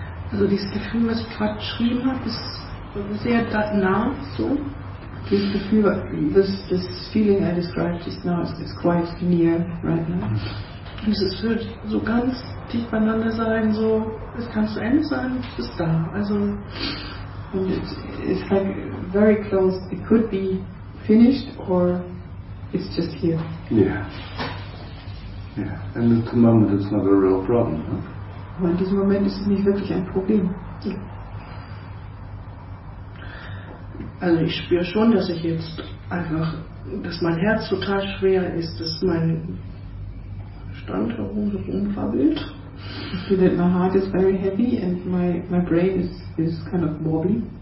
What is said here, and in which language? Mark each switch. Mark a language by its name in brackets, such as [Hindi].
[German] Also dieses Gefühl, was ich gerade geschrieben habe, ist sehr nah so. Dieses Gefühl, [English] this feeling I described just now, is quite near right now. [German] Und es wird so ganz dicht beieinander sein, so, es kann zu Ende sein, es ist da. Also, und [English] it's like very close, it could be finished or it's just here. Yeah. Yeah, and at the moment it's not a real problem, huh? Well, in this moment it's not really a problem. [German] Also ich spüre schon, dass ich jetzt einfach, dass mein Herz total schwer ist, dass mein Verstand herumfabelt. [English] I feel that my heart is very heavy and my brain is kind of wobbly.